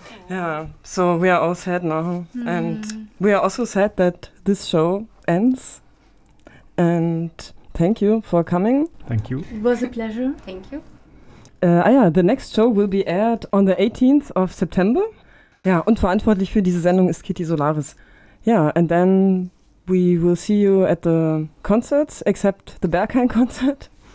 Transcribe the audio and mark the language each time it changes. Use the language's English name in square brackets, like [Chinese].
[English] Yeah, so we are all sad now. Mm. And we are also sad that this show ends. And thank you for coming. Thank you. It was a pleasure. Thank you. The next show will be aired on the 18th of September. [German] Yeah, und verantwortlich für diese Sendung ist Kitty Solaris. [English] Yeah, and then we will see you at the concerts, except the Berghain concert.